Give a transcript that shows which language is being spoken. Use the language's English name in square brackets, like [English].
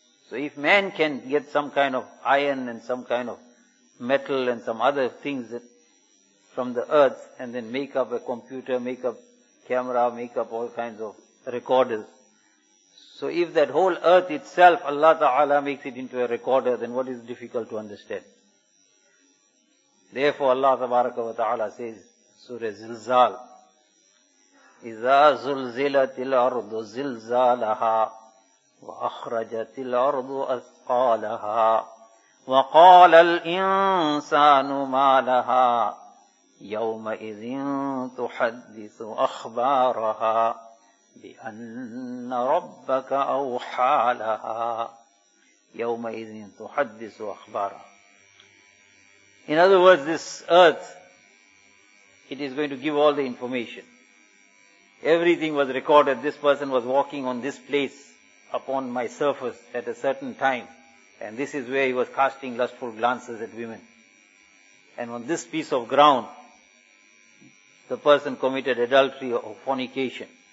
[English] So if man can get some kind of iron and some kind of metal and some other things that from the earth and then make up a computer, make up camera, make up all kinds of recorders. So if that whole earth itself, Allah Ta'ala makes it into a recorder, then what is difficult to understand? Therefore Allah Tabaraka wa Ta'ala says, Surah Zilzal, [Arabic] إِذَا زُلْزِلَتِ الْأَرْضُ زِلْزَالَهَا وَأَخْرَجَتِ الْأَرْضُ أَثْقَالَهَا وَقَالَ الْإِنسَانُ مَا لَهَا يَوْمَئِذٍ تُحَدِّثُ أَخْبَارَهَا بِأَنَّ رَبَّكَ أَوْحَى لَهَا يَوْمَئِذٍ تُحَدِّثُ أَخْبَارَهَا. [English] In other words, this earth, it is going to give all the information. Everything was recorded. This person was walking on this place upon my surface at a certain time. And this is where he was casting lustful glances at women. And on this piece of ground, the person committed adultery or fornication.